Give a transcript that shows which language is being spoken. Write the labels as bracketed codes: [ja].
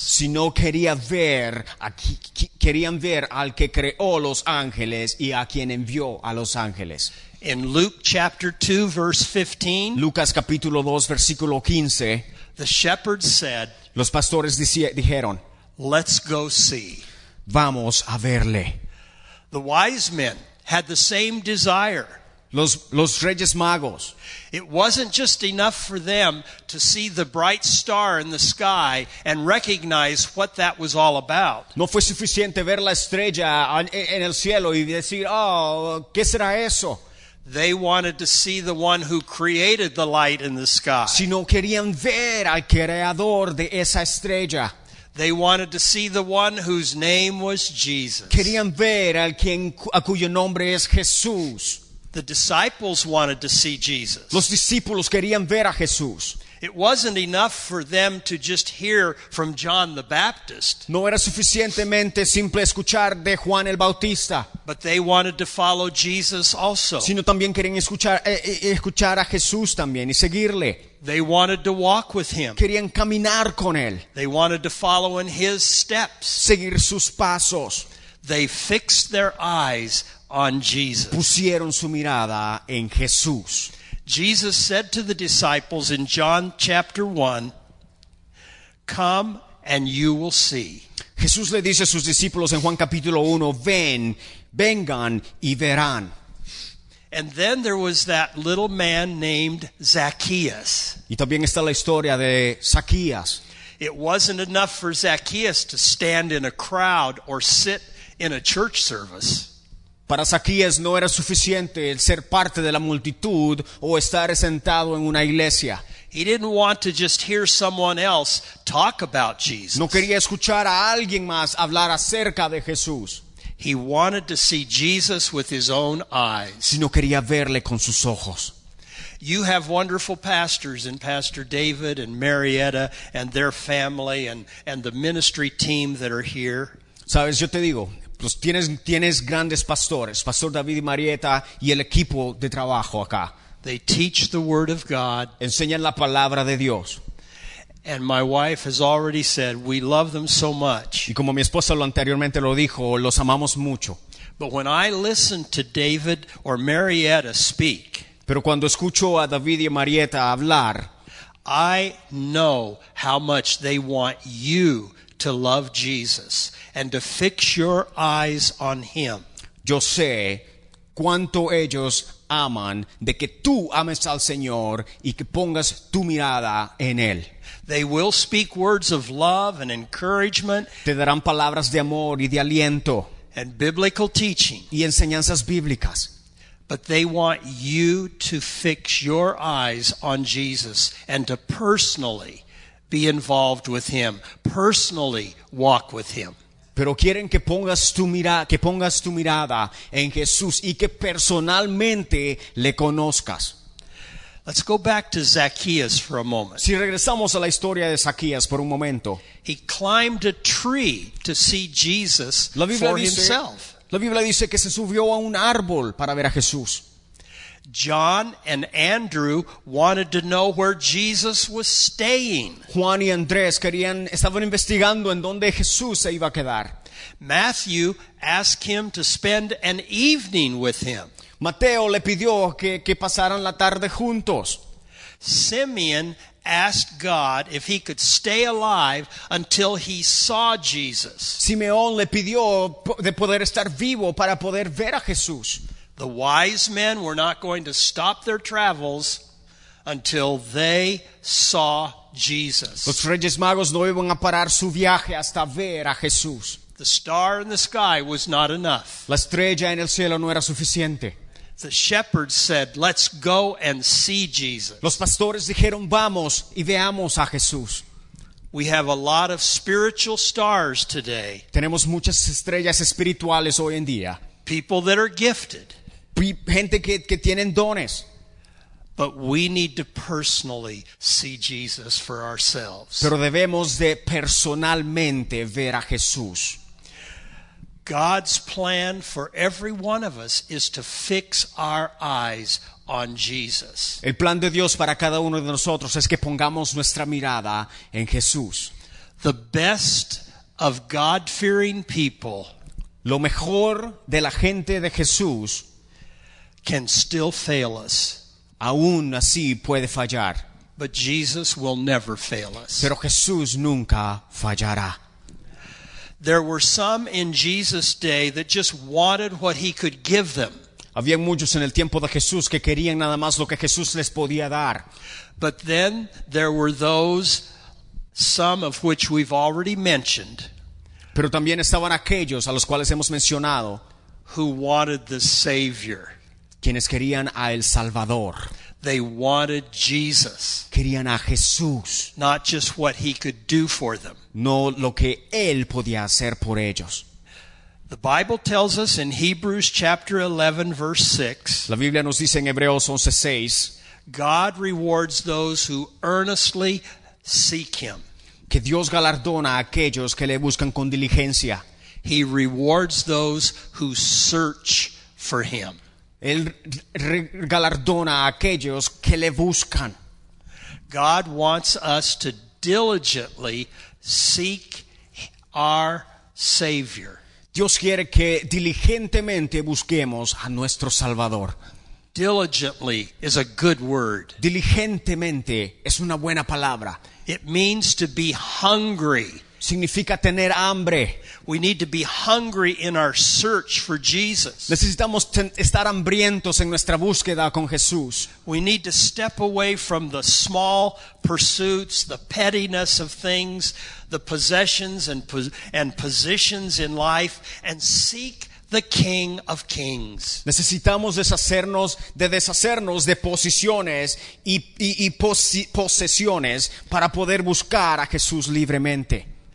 [es] Sino querían ver al que creó los ángeles y a quien envió a los ángeles. [en] In Luke chapter 2 verse 15. [es] Lucas capítulo 2 versículo 15. [en] The shepherds said. [es] Los pastores dijeron. [en] Let's go see. [es] Vamos a verle. [en] The wise men had the same desire. [es] Los Reyes Magos. [en] It wasn't just enough for them to see the bright star in the sky and recognize what that was all about. [es] No fue suficiente ver la estrella en el cielo y decir, oh, ¿qué será eso? [en] They wanted to see the one who created the light in the sky. [es] Sino querían ver al creador de esa estrella. [en] They wanted to see the one whose name was Jesus. [es] Querían ver al quien a cuyo nombre es Jesús. [en] The disciples wanted to see Jesus. [es] Los discípulos querían ver a Jesús. [en] It wasn't enough for them to just hear from John the Baptist. [es] No era suficientemente simple escuchar de Juan el Bautista. [en] But they wanted to follow Jesus also. [es] Sino también querían escuchar a Jesús también y seguirle. [en] They wanted to walk with him. [es] Querían caminar con él. [en] They wanted to follow in his steps. [es] Seguir sus pasos. [en] They fixed their eyes on Jesus. [es] Pusieron su mirada en Jesús. [en] Jesus said to the disciples in John chapter 1, "Come and you will see." [es] Jesús le dice a sus discípulos en Juan capítulo 1, "Ven, vengan y verán." [en] And then there was that little man named Zacchaeus. [es] Y también está la historia de Zacchaeus. [en] It wasn't enough for Zacchaeus to stand in a crowd or sit in a church service. [es] Para Zacchaeus no era suficiente el ser parte de la multitud o estar sentado en una iglesia. [en] He didn't want to just hear someone else talk about Jesus. [es] No quería escuchar a alguien más hablar acerca de Jesús. [en] He wanted to see Jesus with his own eyes. [es] Sino quería verle con sus ojos. [en] You have wonderful pastors in Pastor David and Marietta and their family and the ministry team that are here. [es] Sabes, yo te digo, pues tienes grandes pastores, Pastor David y Marietta y el equipo de trabajo acá. [en] They teach the word of God. [es] Enseñan la palabra de Dios. [en] And my wife has already said we love them so much. [es] Y como mi esposa lo anteriormente lo dijo, los amamos mucho. [en] But when I listen to David or Marietta speak, [es] pero cuando escucho a David y Marietta hablar, [en] I know how much they want you to love Jesus and to fix your eyes on Him. [es] Yo sé cuánto ellos aman de que tú ames al Señor y que pongas tu mirada en Él. [en] They will speak words of love and encouragement. [es] Te darán palabras de amor y de aliento. [en] And biblical teaching. [es] Y enseñanzas bíblicas. [en] But they want you to fix your eyes on Jesus and to personally be involved with Him, personally walk with Him. [es] Pero quieren que pongas tu mirada, que pongas tu mirada en Jesús y que personalmente le conozcas. [en] Let's go back to Zacchaeus for a moment. [es] Si regresamos a la historia de Zacchaeus por un momento. [en] He climbed a tree to see Jesus for himself. [es] La Biblia dice que se subió a un árbol para ver a Jesús. [en] John and Andrew wanted to know where Jesus was staying. [es] Juan y Andrés querían, estaban investigando en dónde Jesús se iba a quedar. [en] Matthew asked him to spend an evening with him. [es] Mateo le pidió que pasaran la tarde juntos. [en] Simeon asked God if he could stay alive until he saw Jesus. [es] Simeón le pidió de poder estar vivo para poder ver a Jesús. [en] The wise men were not going to stop their travels until they saw Jesus. [es] Los reyes magos no iban a parar su viaje hasta ver a Jesús. [en] The star in the sky was not enough. [es] La estrella en el cielo no era suficiente. [en] The shepherds said, "Let's go and see Jesus." [es] Los pastores dijeron, "Vamos y veamos a Jesús." [en] We have a lot of spiritual stars today. [es] Tenemos muchas estrellas espirituales hoy en día. [en] People that are gifted. [es] Gente que tienen dones. [en] But we need to personally see Jesus for ourselves. [es] Pero debemos de personalmente ver a Jesús. [en] God's plan for every one of us is to fix our eyes on Jesus. [es] El plan de Dios para cada uno de nosotros es que pongamos nuestra mirada en Jesús. [en] The best of God-fearing people, [es] lo mejor de la gente de Jesús, [en] can still fail us. [es] Aún así puede fallar. [en] But Jesus will never fail us. [es] Pero Jesús nunca fallará. [en] There were some in Jesus' day that just wanted what he could give them. [es] Había muchos en el tiempo de Jesús que querían nada más lo que Jesús les podía dar. [en] But then there were those, some of which we've already mentioned. [es] Pero también estaban aquellos a los cuales hemos mencionado. [en] Who wanted the Savior. [es] Quienes querían a El Salvador. [en] They wanted Jesus. [es] Querían a Jesús. [en] Not just what he could do for them. [es] No lo que él podía hacer por ellos. [en] The Bible tells us in Hebrews chapter 11 verse 6. [es] La Biblia nos dice en Hebreos 11:6. [en] God rewards those who earnestly seek him. [es] Que Dios galardona a aquellos que le buscan con diligencia. [en] He rewards those who search for him. [es] Él galardona a aquellos que le buscan. [en] God wants us to diligently seek our Savior. [es] Dios quiere que diligentemente busquemos a nuestro Salvador. [en] Diligently is a good word. [es] Diligentemente es una buena palabra. [en] It means to be hungry. [es] Significa tener hambre. [en] We need to be hungry in our search for Jesus. [es] Necesitamos estar hambrientos en nuestra búsqueda con Jesús. [en] We need to step away from the small pursuits, the pettiness of things, the possessions and positions in life, and seek the King of Kings. [es] Necesitamos deshacernos de posiciones y posesiones para poder buscar a Jesús libremente.